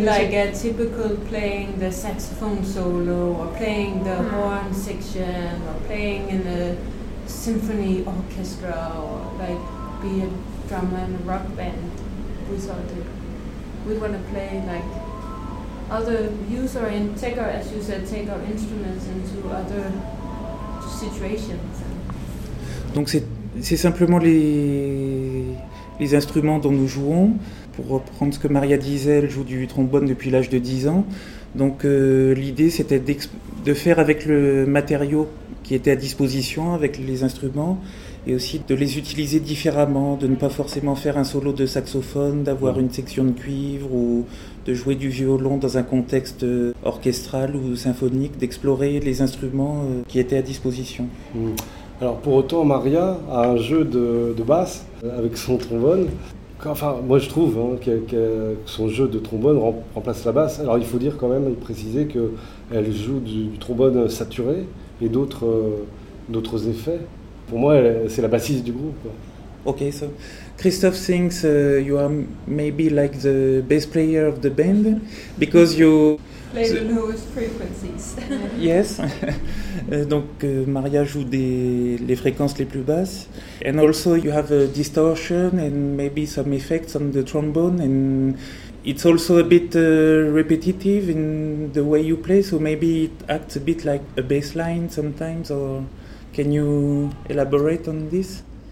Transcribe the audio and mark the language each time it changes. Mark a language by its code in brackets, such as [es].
[en] And not be like a typical playing the saxophone solo, or playing the horn section, or playing in a symphony orchestra, or like be a drummer in a rock band. We sort of, we want to play like other use our in take our, as you said, take our instruments into other situations. [fr] Donc c'est simplement les instruments dont nous jouons. Pour reprendre ce que Maria disait, elle joue du trombone depuis l'âge de 10 ans. Donc l'idée c'était de faire avec le matériau qui était à disposition, avec les instruments, et aussi de les utiliser différemment, de ne pas forcément faire un solo de saxophone, d'avoir une section de cuivre ou de jouer du violon dans un contexte orchestral ou symphonique, d'explorer les instruments qui étaient à disposition. Alors pour autant, Maria a un jeu de basse avec son trombone. Enfin, moi je trouve hein, que son jeu de trombone remplace la basse. Alors il faut dire quand même, préciser qu'elle joue du trombone saturé et d'autres effets. Pour moi, c'est la bassiste du groupe. [en] Okay, so Christophe thinks you are maybe like the bass player of the band because you... Play the lowest frequencies. Yes. [fr] Donc Maria joue les fréquences les plus basses. [en] And also you have a distortion and maybe some effects on the trombone. And it's also a bit repetitive in the way you play. So maybe it acts a bit like a bass line sometimes. Or can you elaborate on this?